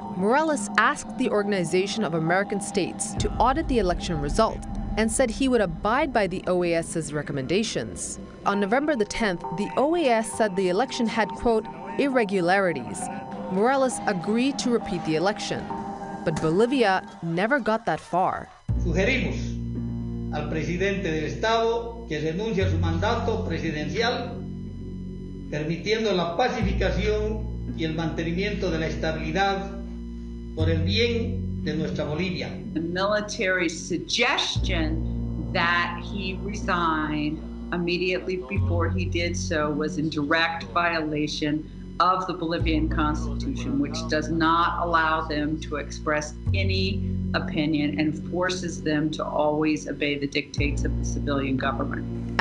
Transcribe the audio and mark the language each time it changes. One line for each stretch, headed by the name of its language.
English: Morales asked the Organization of American States to audit the election result and said he would abide by the OAS's recommendations. On November the 10th, the OAS said the election had, quote, irregularities. Morales agreed to repeat the election, but Bolivia never got that far.
Spanish: Sugerimos al presidente del estado que renuncie a su mandato presidencial, permitiendo la pacificación y el mantenimiento de la estabilidad por el bien de nuestra Bolivia.
English: The military suggestion that he resign immediately before he did so was in direct violation of the Bolivian Constitution, which does not allow them to express any opinion and forces them to always obey the dictates of the civilian government.